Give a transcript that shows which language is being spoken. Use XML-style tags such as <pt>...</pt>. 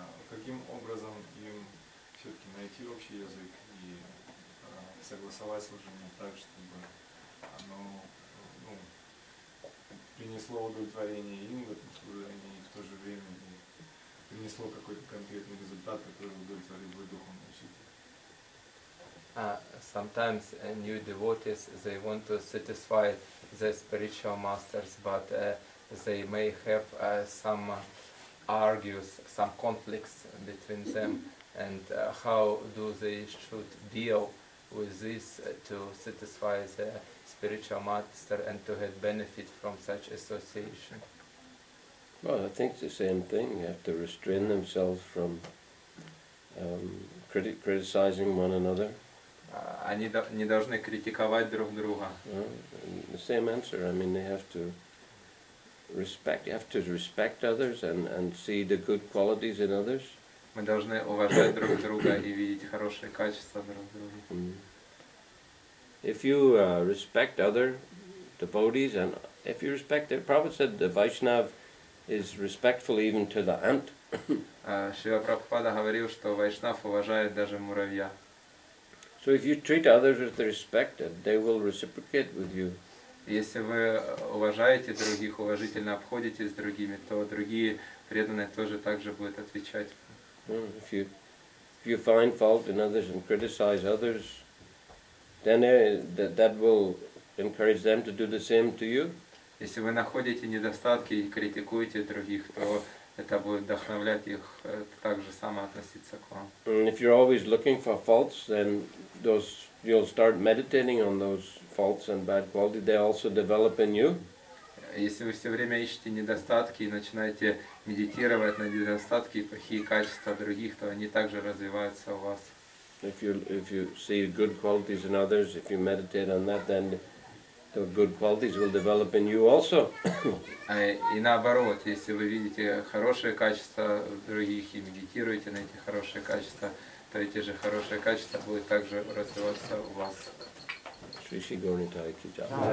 <ru>Каким образом им все-таки найти общий язык и согласовать служение так, чтобы оно, ну, принесло удовлетворение им в этом служении и в то же время и принесло какой-то конкретный результат, который удовлетворил бы духовный учитель.</ru> <en>Sometimes new devotees, they want to satisfy the spiritual masters, but they may have some argues, some conflicts between them, and how do they should deal with this to satisfy the spiritual master and to have benefit from such association? Well, I think it's the same thing. You have to restrain themselves from criticizing one another.</en> <ru>Они не должны критиковать друг друга.</ru> <en>The same answer. I mean, they have to respect. You have to respect others and see the good qualities in others.</en> <ru>Мы должны уважать друг друга и видеть хорошие качества друг друга.</ru> <en>If you respect other devotees and if you respect it, Prabhupada said the Vaishnav is respectful even to the ant.</en> <ru>Шрила Прабхупада говорил, что Вайшнав уважает даже муравья.</ru> <en>So if you treat others with respect, they will reciprocate with you.</en> <ru>Если вы уважаете других, уважительно обходитесь с другими, то другие преданные тоже также будут отвечать.</ru> <en>If you find fault in others and criticize others, then that will encourage them to do the same to you.</en> <ru>Если вы находите недостатки и критикуете других, то это будет вдохновлять их так же само относиться к вам.</ru> <en>And if you're always looking for faults, then you'll start meditating on those faults and bad qualities, they also develop in you.</en> <ru>Если вы все время ищете недостатки и начинаете медитировать на недостатки и плохие качества других, то они также развиваются у вас.</ru> <en>If you see good qualities in others, if you meditate on that, then the good qualities will develop in you also.</en> <ru>И наоборот, если вы видите хорошие качества других и медитируете на эти хорошие качества, то эти же хорошие качества будут также развиваться у вас. Шриши Гаунитай Кича.</ru>